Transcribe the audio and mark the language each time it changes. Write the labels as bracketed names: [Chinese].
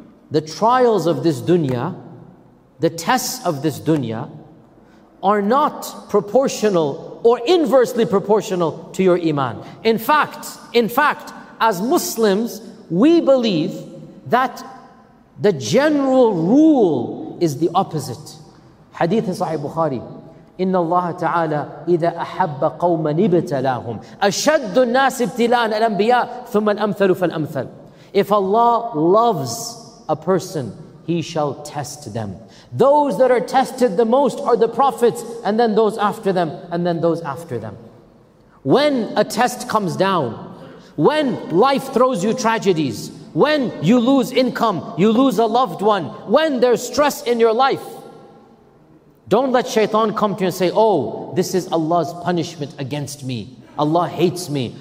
[English] The trials of this dunya, the tests of this dunya, are not proportional or inversely proportional to your iman. In fact, as Muslims, we believe that the general rule is the opposite. Hadith in Sahih Bukhari, [Arabic] إِنَّ اللَّهَ تَعَالَى إِذَا أَحَبَّ قَوْمًا إِبْتَلَاهُمْ أَشَدُّ النَّاسِ ابْتِلَاءً الْأَنْبِيَاءَ ثُمَّ الْأَمْثَلُ فَالْأَمْثَلُ. [English] If Allah loves a person, He shall test them. Those that are tested the most are the prophets, and then those after them, and then those after them. When a test comes down, when life throws you tragedies, when you lose income, you lose a loved one, when there's stress in your life, don't let shaitan come to you and say, oh, this is Allah's punishment against me. Allah hates me.